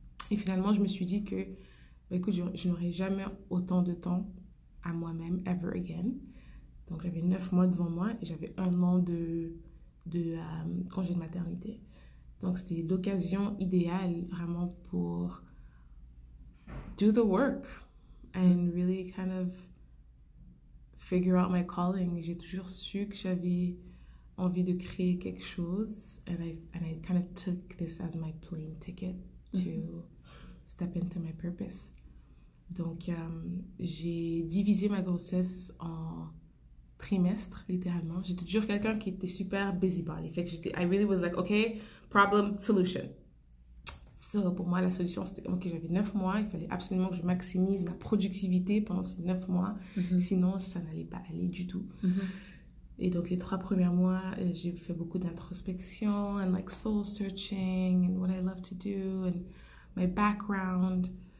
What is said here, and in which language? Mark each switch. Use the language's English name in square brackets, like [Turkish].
[French] Et finalement, je me suis dit que, écoute, je n'aurai jamais autant de temps à moi-même, [English] ever again. [French] Donc, j'avais 9 mois devant moi et j'avais 1 an de congé de maternité. Donc, c'était l'occasion idéale vraiment pour [English] do the work and really kind of figure out my calling. [French] J'ai toujours su que j'avais envie de créer quelque chose, [English] and I kind of took this as my plane ticket to step into my purpose. [French] Donc, j'ai divisé ma grossesse en trimestres, littéralement. J'étais toujours quelqu'un qui était super [English] busybody. [French] Fait que j'étais, [English] I really was like, okay, problem, solution. [French] So, pour moi, la solution, c'était, ok, j'avais 9 mois, il fallait absolument que je maximise ma productivité pendant ces 9 mois, sinon ça n'allait pas aller du tout. Et donc, les 3 premiers mois, j'ai fait beaucoup d'introspection, [English] and like soul searching, and what I love to do, and my background.